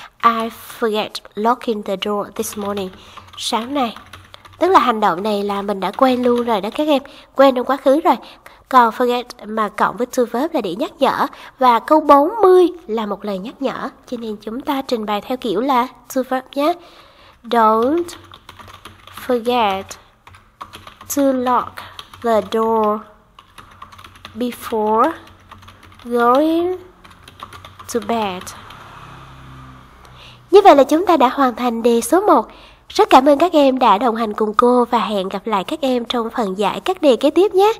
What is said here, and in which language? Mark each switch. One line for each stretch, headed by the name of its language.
English: I forget locking the door this morning.
Vietnamese: Sáng nay. Tức là hành động này là mình đã quên luôn rồi đó các em, quên trong quá khứ rồi. Còn forget mà cộng với to verb là để nhắc nhở. Và câu 40 là một lời nhắc nhở, cho nên chúng ta trình bày theo kiểu là to verb nhé.
English: Don't forget to lock the door before going to bed.
Vietnamese: Như vậy là chúng ta đã hoàn thành đề số 1. Rất cảm ơn các em đã đồng hành cùng cô và hẹn gặp lại các em trong phần giải các đề kế tiếp nhé.